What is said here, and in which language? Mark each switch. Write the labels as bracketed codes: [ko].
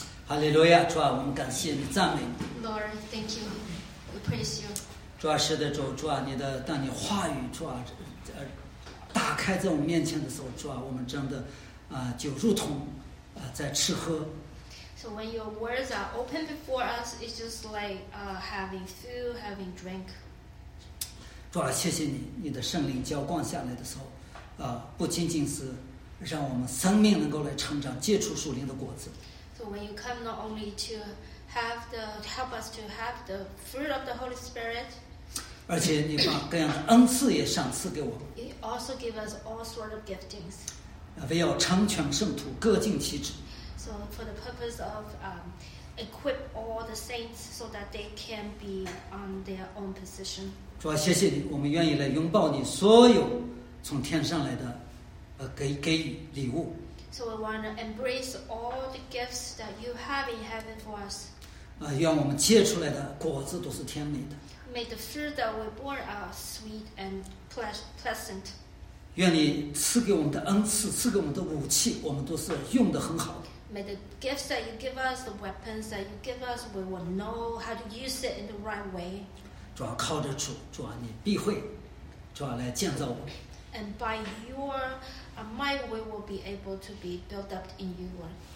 [zh] Hallelujah, 主啊，我们感谢你，赞美你。 [en] Lord, thank you. We praise you. [zh] 主啊，是的，主啊，你的当你话语主啊，打开在我们面前的时候，主啊，我们真的就如同在吃喝。 [en] So when your words are open before us, it's just like having food, having drink. [zh] 主啊，谢谢你，你的圣灵浇灌下来的时候，不仅仅是让我们生命能够来成长，结出属灵的果子。 [en] So when you come, not only to help us to have the fruit of the Holy Spirit. [zh] 而且你把各样恩赐也赏赐给我。 [en] You also give us all sort of giftings. [zh] 为要成全圣徒，各尽其职。 [en] So for the purpose of equip all the saints so that they can be on their own position. [zh] 主啊，谢谢你，我们愿意来拥抱你所有从天上来的给予礼物。 [en] So we want to embrace all the gifts that you have in heaven for us. [zh] 愿我们结出来的果子都是甜美的。 [en] May the fruit that we bore are sweet and pleasant. [zh] 愿你赐给我们的恩赐，赐给我们的武器，我们都是用得很好的。 [en] May the gifts that you give us, the weapons that you give us, we will know how to use it in the right way. [zh] 主啊，靠着主，主啊，你必会，主啊，来建造我们。 [en] And by your might, we will be able to be built up in you, Lord.